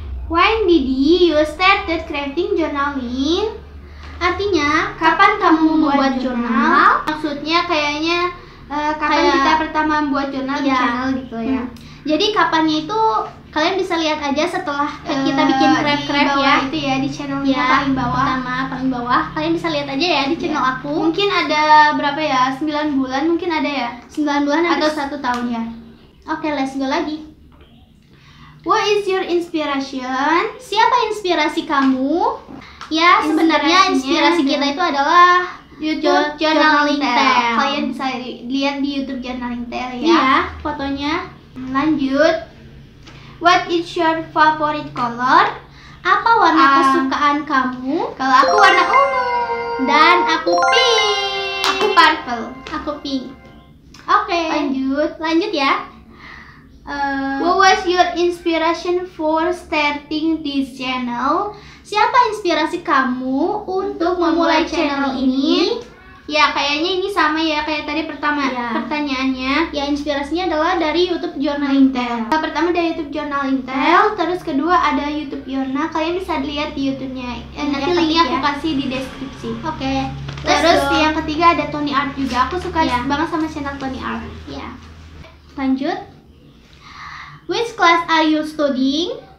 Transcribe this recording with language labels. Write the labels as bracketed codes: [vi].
[en] When did you started creating journaling? [id] Artinya, kapan kamu membuat jurnal? Maksudnya kayaknya kita pertama membuat jurnal di channel gitu ya. Jadi kapannya itu kalian bisa lihat aja setelah kita bikin craft ya. Itu ya di channel ya, paling bawah. Pertama, paling bawah. Kalian bisa lihat aja ya di channel aku. Mungkin ada berapa ya? 9 bulan mungkin ada ya? 9 bulan atau 1 tahun ya. [en] Oke, let's go lagi. What is your inspiration? [id] Siapa inspirasi kamu? Ya, sebenarnya inspirasi kita itu adalah YouTube Journaling Tale. Kalian bisa lihat di YouTube Journaling Tale ya. Iya, fotonya. Lanjut. [en] What is your favorite color? [id] Apa warna kesukaan kamu? Kalau aku warna ungu. Dan aku pink. Aku purple. Aku pink. Oke. Okay. Lanjut ya. [en] What was your inspiration for starting this channel? [id] Siapa inspirasi kamu untuk memulai channel ini? Ya, kayaknya ini sama ya kayak tadi pertama pertanyaannya. Ya, inspirasinya adalah dari YouTube Journaling Tale. Pertama dari YouTube Journaling Tale, terus kedua ada YouTube Yorna. Kalian bisa lihat di YouTube-nya. Nanti linknya aku kasih di deskripsi. Oke. Okay. Terus yang ketiga ada Tony Art juga. Aku suka banget sama channel Tony Art. Ya. Lanjut. [en] Which class are you studying?